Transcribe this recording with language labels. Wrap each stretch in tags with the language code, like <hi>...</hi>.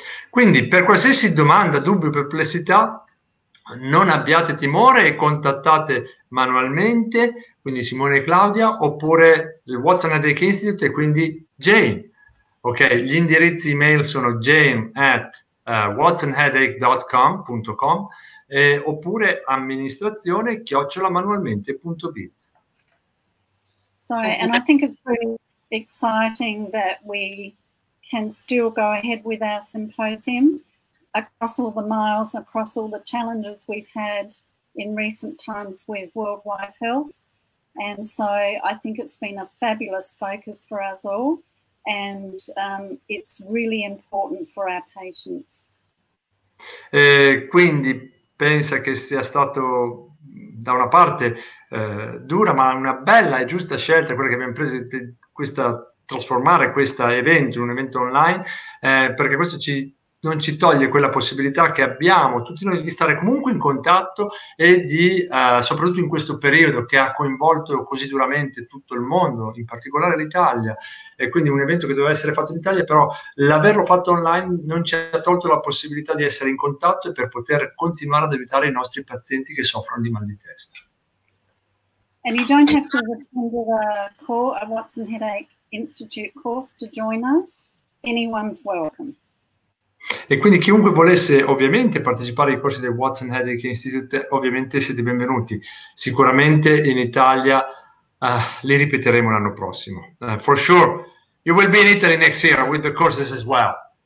<it>Quindi, per qualsiasi domanda, dubbio, perplessità, non abbiate timore e contattate manualmente, quindi Simona e Claudia, oppure il Watson Adic Institute, e quindi Jane. Ok, gli indirizzi email sono jane@watsonheadache.com oppure amministrazione@manualmente.biz.</it> <en>Sorry, and I think it's really exciting that we can still go ahead with our symposium across all the miles, across all the challenges we've had in recent times with worldwide health. And so I think it's been a fabulous focus for us all. And it's really important for our patients.</en> <it>Quindi pensa che sia stato da una parte dura, ma una bella e giusta scelta quella che abbiamo preso, questa trasformare questo evento in un evento online, perché questo non ci toglie quella possibilità che abbiamo tutti noi di stare comunque in contatto e di, soprattutto in questo periodo che ha coinvolto così duramente tutto il mondo, in particolare l'Italia, e quindi un evento che doveva essere fatto in Italia, però l'averlo fatto online non ci ha tolto la possibilità di essere in contatto e per poter continuare ad aiutare i nostri pazienti che soffrono di mal di testa.</it> <en>And you don't have to attend a Watson Headache Institute course to join us. Anyone's welcome.</en> <it>E quindi chiunque volesse ovviamente partecipare ai corsi del Watson Headache Institute, ovviamente siete benvenuti. Sicuramente in Italia li ripeteremo l'anno prossimo.</it> <en>For sure, you will be in Italy next year with the courses as well.</en>